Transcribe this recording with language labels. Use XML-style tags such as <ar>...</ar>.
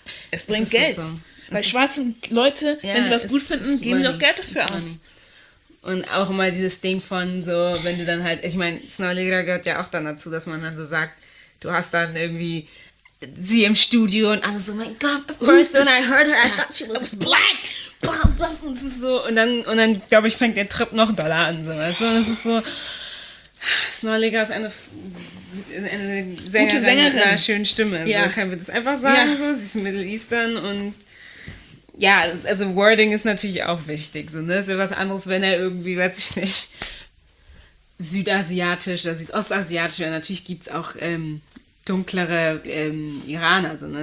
<de>Es bringt Geld. So. Weil schwarze Leute, wenn sie was gut finden, geben sie auch Geld dafür aus. Und auch immer dieses Ding von so, wenn du dann halt, ich meine, Snow Allegra gehört ja auch dann dazu, dass man dann so sagt, du hast dann irgendwie sie im Studio und alles so, mein Gott,</de> <en>first when I heard her, I thought she was black.</en> <de>Bam, bam, und es ist so, und dann glaube ich, fängt der Trip noch doller an, so, weißt du, und es ist so, Snow Allegra ist eine Sängerin, gute Sängerin mit einer schönen Stimme, so kann man das einfach sagen, so, sie ist Middle Eastern und ja, also Wording ist natürlich auch wichtig, so, ne? Ist ja was anderes, wenn er irgendwie, weiß ich nicht, südasiatisch oder südostasiatisch, ja, natürlich gibt es auch dunklere Iraner, so, ne?</de>